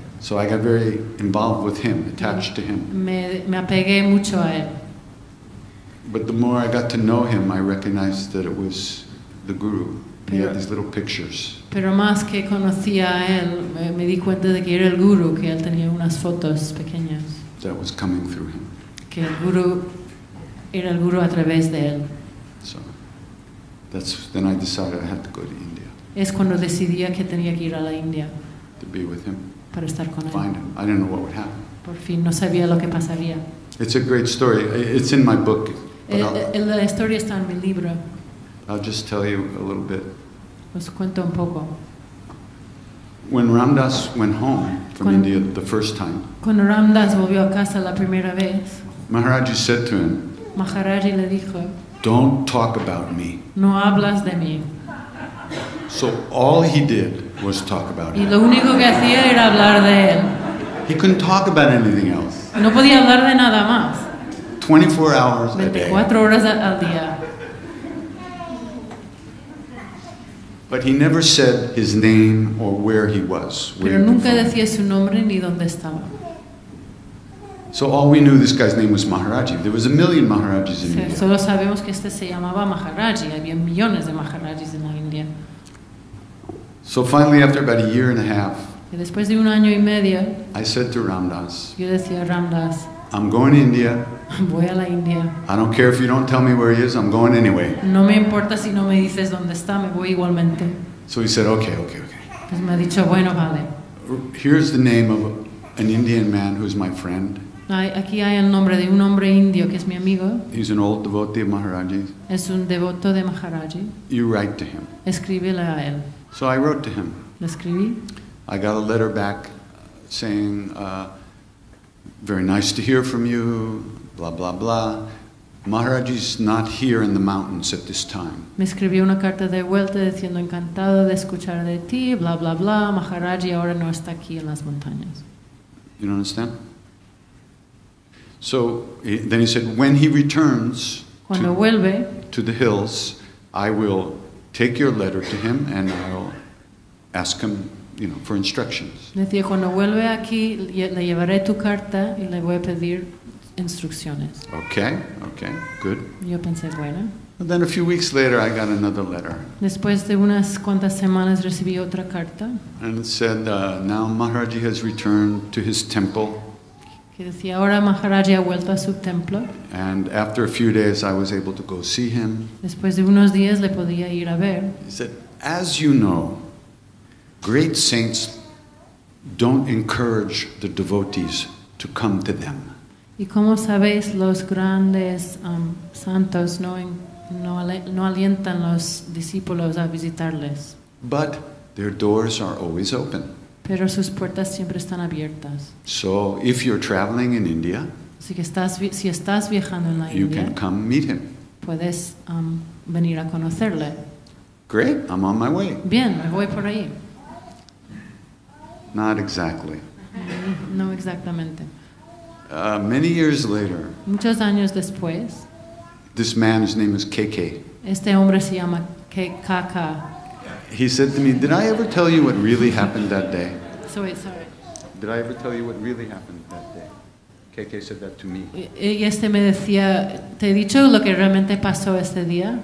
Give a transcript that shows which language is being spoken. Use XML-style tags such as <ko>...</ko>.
<en>So I got very involved with him, attached to him.</en> <es>Me apegué mucho a él.</es> <en>But the more I got to know him, I recognized that it was the guru. He had these little pictures.</en> <es>Pero más que conocía a él, me di cuenta de que era el guru, que él tenía unas fotos pequeñas.</es> <en>That was coming through him.</en> <es>Que el guru era el guru a través de él.</es> <en>Then I decided I had to go to India.</en> <es>Es cuando decidí que tenía que ir a la India.</es> <en>To be with him.</en> <es>Para estar con él.</es> <en>Find him. I didn't know what would happen.</en> <es>Por fin no sabía lo que pasaría.</es> <en>It's a great story. It's in my book.</en> <es>La historia está en mi libro.</es> <en>I'll just tell you a little bit.</en> <es>Os cuento un poco.</es> <en>When Ramdas went home from India the first time.</en> <es>Cuando Ramdas volvió a casa la primera vez.</es> <en>Maharajji said to him.</en> <es>Maharajji le dijo.</es> <en>Don't talk about me.</en> <es>No hablas de mí.</es> <en>So all he did was talk about</en> <es>him. Y lo único que hacía era hablar de él.</es> <en>He couldn't talk about anything else.</en> <es>No podía hablar de nada más.</es> <en>24 hours a day.</en> <es>24 horas al día.</es> <en>But he never said his name or where he was.</en> <es>Pero nunca decía su nombre ni dónde estaba.</es> <en>So all we knew, this guy's name was Maharajji. There was a million Maharajis in India.</en> <es>Solo sabemos que este se llamaba Maharajji. Había millones de Maharajis en la India.</es> <en>So finally, after about a year and a half,</en> <es>y después de un año y medio,</es> <en>I said to Ramdas,</en> <es>yo decía, Ramdas,</es> <en>I'm going to India.</en> <es>Voy a la India.</es> <en>I don't care if you don't tell me where he is. I'm going anyway.</en> <es>No me importa si no me dices dónde está. Me voy igualmente.</es> <en>So he said, okay.</en> <es>Pues me ha dicho, bueno, vale.</es> <en>Here's the name of an Indian man who's my friend.</en> <es>Aquí hay el nombre de un hombre indio que es mi amigo.</es> <en>He's an old devotee of Maharajji.</en> <es>Es un devoto de Maharajji.</es> <en>You write to him.</en> <es>Escríbele a él.</es> <en>So I wrote to him.</en> <es>Le escribí.</es> <en>I got a letter back saying, very nice to hear from you, blah, blah, blah. Maharajji's not here in the mountains at this time.</en> <es>Me escribió una carta de vuelta diciendo, encantado de escuchar de ti, blah, blah, blah. Maharajji ahora no está aquí en las montañas.</es> <en>You don't understand? So then he said, when he returns to the hills, I will take your letter to him and I'll ask him, you know, for instructions.</en> <es>Decía, cuando vuelve aquí, le llevaré tu carta y le voy a pedir instrucciones.</es> <en>Okay, good.</en> <es>Yo pensé, bueno.</es> <en>And then a few weeks later, I got another letter.</en> <es>Después de unas cuantas semanas, recibí otra carta.</es> <en>And it said, now Maharajji has returned to his temple.</en> <es>Que decía, ahora Maharajji ha vuelto a su templo.</es> <en>And after a few days, I was able to go see him.</en> <es>Después de unos días, le podía ir a ver.</es> <en>He said, as you know, great saints don't encourage the devotees to come to them.</en> <es>Y como sabéis, los grandes santos no alientan los discípulos a visitarles.</es> <en>But their doors are always open.</en> <es>Pero sus puertas siempre están abiertas.</es> <en>So if you're traveling in India,</en> <es>así que si estás viajando en la India,</es> <en>you can come meet him.</en> <es>Puedes venir a conocerle.</es> <en>Great, I'm on my way.</en> <es>Bien, me voy por ahí.</es> <en>Not exactly.</en> <es>No exactamente.</es> <en>Many years later,</en> <es>muchos años después,</es> <en>this man, his name is KK.</en> <es>Este hombre se llama KK.</es> <en>He said to me, did I ever tell you what really happened that day? So wait, sorry. Did I ever tell you what really happened that day? KK said that to me.</en> <es>Y este me decía, ¿te he dicho lo que realmente pasó ese día?</es>